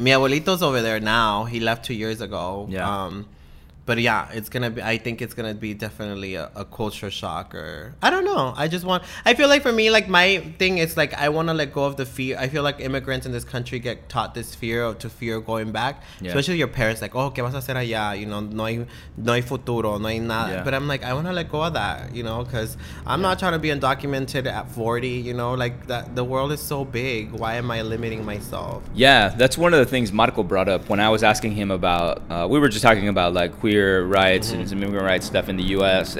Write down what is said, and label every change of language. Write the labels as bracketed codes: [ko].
[en] Mi abuelito's over there now. He left 2 years ago. Yeah. But yeah, it's gonna be, I think it's gonna be definitely a culture shock, or I don't know. I feel like for me, like my thing is like, I wanna let go of the fear. I feel like immigrants in this country get taught this fear of, to fear going back. Yeah. Especially your parents, like, oh, [es] ¿qué vas a hacer allá? [en] You know, [es] no hay futuro, no hay nada. [en] Yeah. But I'm like, I wanna let go of that, you know, cause I'm not trying to be undocumented at 40, you know, like that. The world is so big. Why am I limiting myself? Yeah, that's one of the things Marco brought up when I was asking him about, we were just talking about like, queer rights and some immigrant rights stuff in the U.S.